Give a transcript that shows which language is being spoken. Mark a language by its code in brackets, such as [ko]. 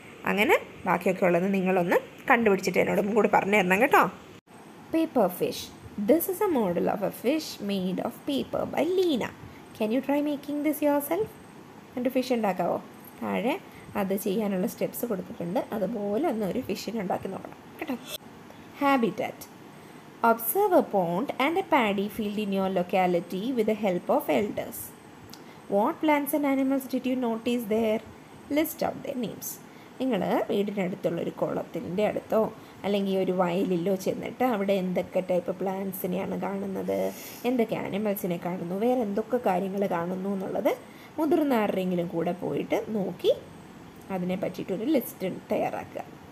[ml] അങ്ങനെ ബാക്കിയൊക്കെ ഉള്ളത് നിങ്ങളൊന്ന് കണ്ടുപിടിച്ചിട്ട് എന്നോടും കൂടി പറഞ്ഞു തരണം കേട്ടോ. Paper fish. [en] This is a model of a fish made of paper by Leena. Can you try making this your self? [ml] എൻ്റെ ഫിഷ് ഉണ്ടാക്കാവോ? താഴെ അത് ചെയ്യാനുള്ള സ്റ്റെപ്സ് കൊടുത്തിട്ടുണ്ട്, അതുപോലെ ഒന്ന് ഒരു ഫിഷിനെ ഉണ്ടാക്കി നോക്കണം കേട്ടോ. [en] Habitat. Observe a pond and a paddy field in your locality with the help of elders. What plants and animals did you notice their list of the names. [ml] നിങ്ങൾ വീടിനടുത്തുള്ള ഒരു കുളത്തിൻ്റെ അടുത്തോ അല്ലെങ്കിൽ ഒരു വയലിലോ ചെന്നിട്ട് അവിടെ എന്തൊക്കെ ടൈപ്പ് പ്ലാന്റ്സിനെയാണ് കാണുന്നത്, എന്തൊക്കെ ആനിമൽസിനെ കാണുന്നു, വേറെ എന്തൊക്കെ കാര്യങ്ങൾ കാണുന്നു എന്നുള്ളത് മുതിർന്ന ആരുടെങ്കിലും കൂടെ പോയിട്ട് നോക്കി അതിനെ പറ്റിയിട്ടൊരു ലിസ്റ്റ് തയ്യാറാക്കുക.